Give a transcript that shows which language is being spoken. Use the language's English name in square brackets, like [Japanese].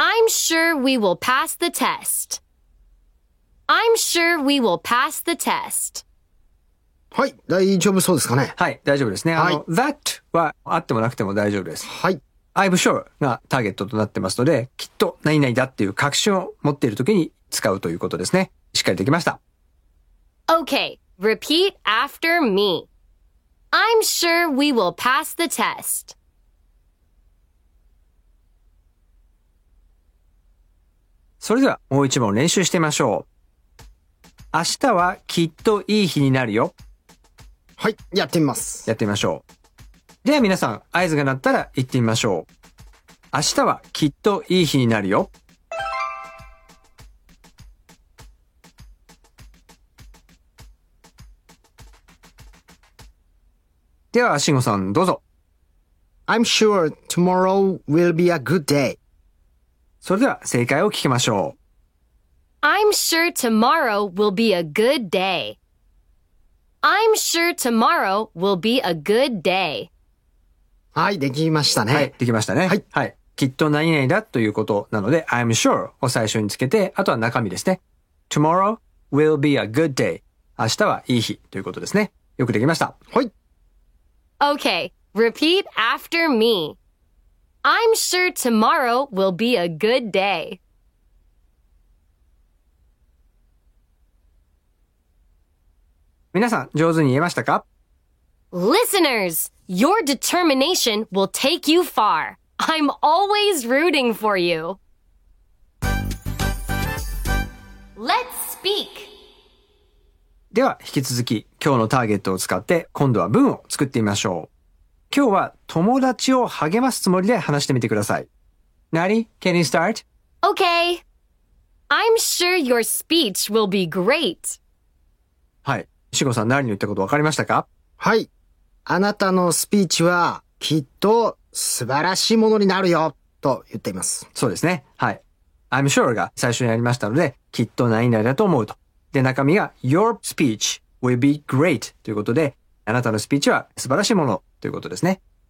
[English] I'm sure we will pass the test. I'm sure we will pass the test. [Japanese] はい、大丈夫そうですかね。はい、大丈夫ですね。はい、that はあってもなくても大丈夫です。はい。 I'm sure がターゲットとなってますので、きっと何々だっていう確信を持っているときに使うということですね。しっかりできました。 [English] Okay, repeat after me. I'm sure we will pass the test. [Japanese] それではもう一問練習してみましょう。明日はきっといい日になるよ。はい、やってみます。やってみましょう。では皆さん、合図が鳴ったら行ってみましょう。明日はきっといい日になるよ。では、しんごさん、どうぞ。 [English] I'm sure tomorrow will be a good day. [Japanese] それでは、正解を聞きましょう。 [English] I'm sure tomorrow will be a good day. I'm sure tomorrow will be a good day. [Japanese] はい、できましたね。はい、できましたね。はい。はい。きっと何々だということなので、I'm sure を最初につけて、あとは中身ですね。 [English] Tomorrow will be a good day. [Japanese] 明日はいい日ということですね。よくできました。はい。 [English] Okay, repeat after me. I'm sure tomorrow will be a good day. [Japanese] みなさん、上手に言えましたか？ [English] Listeners, your determination will take you far. I'm always rooting for you. Let's speak. [Japanese] では引き続き今日のターゲットを使って今度は文を作ってみましょう。今日は友達を励ますつもりで話してみてください。 [English] Nari, can you start? Okay. I'm sure your speech will be great. [Japanese] はい。しごさん、Nari の言ったことわかりましたか？はい。あなたのスピーチはきっと素晴らしいものになるよと言っています。そうですね。はい。 I'm sure が最初にありましたので、きっと何々だと思うと。で、中身が [English] Your speech will be great [Japanese] ということで、あなたのスピーチは素晴らしいものということですね。